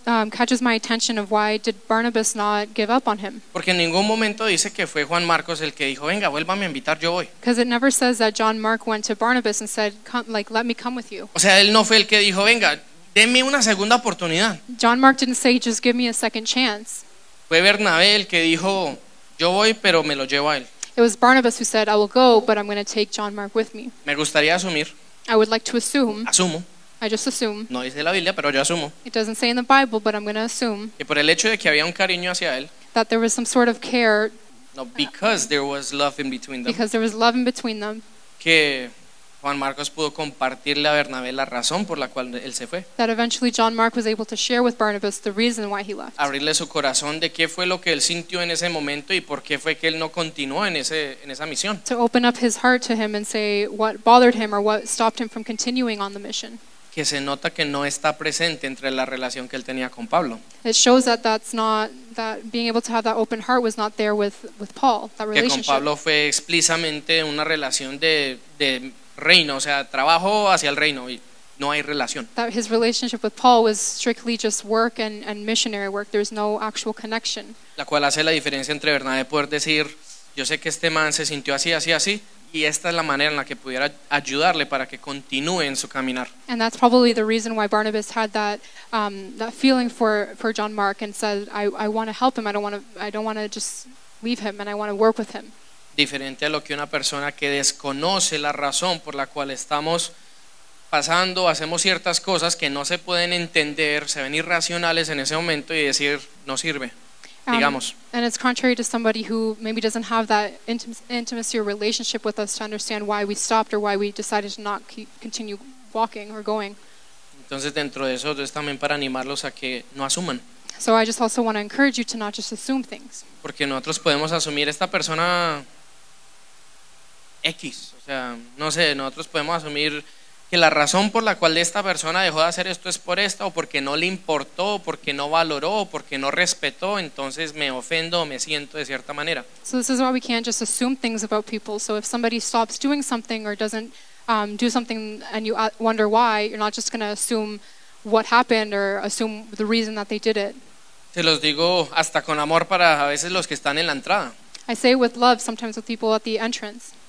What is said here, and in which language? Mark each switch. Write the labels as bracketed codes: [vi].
[en] Catches my attention of why did Barnabas not give up on him? [es] Porque en ningún momento dice que fue Juan Marcos el que dijo, venga, vuélvame a invitar, yo voy. [en] Because it never says that John Mark went to Barnabas and said, come, like, let me come with you. [es] O sea, él no fue el que dijo, venga, denme una segunda oportunidad. [en] John Mark didn't say, just give me a second chance. [es] Fue Bernabé el que dijo, yo voy, pero me lo llevo a él. [en] It was Barnabas who said, I will go, but I'm going to take John Mark with me. [es] Me gustaría asumir. [en] I would like to assume. [es] Asumo. [en] I just assume. [es] No dice la Biblia, pero yo asumo. [en] It doesn't say in the Bible, but I'm going to assume. [es] Que por el hecho de que había un cariño hacia él. [en] That there was some sort of care. No, because there was love in between them. Because there was love in between them. [es] Que Juan Marcos pudo compartirle a Bernabé la razón por la cual él se fue. [en] That eventually John Mark was able to share with Barnabas the reason why he left. [es] Abrirle su corazón de qué fue lo que él sintió en ese momento y por qué fue que él no continuó en esa misión. [en] To open up his heart to him and say what bothered him or what stopped him from continuing on the mission. [es] Que se nota que no está presente entre la relación que él tenía con Pablo. [en] It shows that that's not, that being able to have that open heart was not there with Paul, that relationship. [es] Que con Pablo fue explícitamente una relación de reino, o sea, trabajo hacia el reino y no hay relación. [en] That his relationship with Paul was strictly just work and missionary work. There's no actual connection. [es] La cual hace la diferencia entre Bernabé poder decir, yo sé que este man se sintió así, así, así. Y esta es la manera en la que pudiera ayudarle para que continúe en su caminar. [en] And that's probably the reason why Barnabas had that that feeling for John Mark and said, I want to help him. I don't want to just leave him, and I want to work with him. [es] Diferente a lo que una persona que desconoce la razón por la cual estamos pasando, hacemos ciertas cosas que no se pueden entender, se ven irracionales en ese momento y decir no sirve. [en] And it's contrary to somebody who maybe doesn't have that intimacy or relationship with us to understand why we stopped or why we decided to not continue walking or going. [es] Entonces, dentro de eso, es también para animarlos a que no asuman. [en] So I just also want to encourage you to not just assume things. [es] Porque nosotros podemos asumir esta persona X. O sea, no sé, nosotros podemos asumir que la razón por la cual esta persona dejó de hacer esto es por esta, o porque no le importó, o porque no valoró, o porque no respetó, entonces me ofendo o me siento de cierta manera. [en] So this is why we can't just assume things about people. So if somebody stops doing something or doesn't do something and you wonder why, you're not just going to assume what happened or assume the reason that they did it. [es] Se los digo hasta con amor para a veces los que están en la entrada. [en] I say with love sometimes with people at the entrance.